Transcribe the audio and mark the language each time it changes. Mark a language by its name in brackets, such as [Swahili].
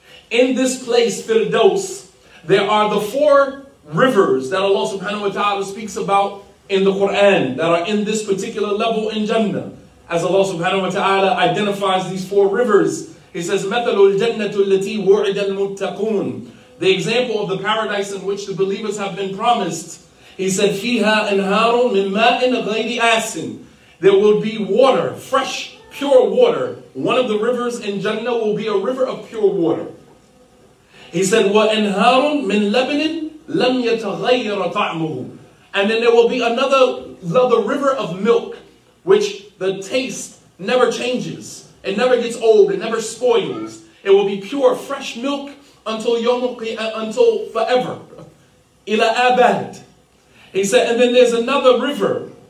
[English] In this place, Firdaus, there are the four rivers that Allah subhanahu wa ta'ala speaks about in the Quran that are in this particular level in Jannah. As Allah subhanahu wa ta'ala identifies these four rivers, He says, [Arabic] مَثَلُ الْجَنَّةُ الَّتِي وُعِدَ الْمُتَّقُونَ. [English] The example of the paradise in which the believers have been promised. He said, [Arabic] فِيهَا أَنْهَارٌ مِنْ مَاءٍ غَيْرِ آسٍ. [English] There will be water, fresh, pure water. One of the rivers in Jannah will be a river of pure water. He said, [Arabic] وَأَنْهَارٌ مِنْ لَبَنٍ لَمْ يَتَغَيَّرَ طَعْمُهُ. [English] And then there will be another river of milk, which the taste never changes. It never gets old, it never spoils. It will be pure, fresh milk until until forever. [Arabic] إِلَى أَبَدْ. [English] He said, and then there's another river.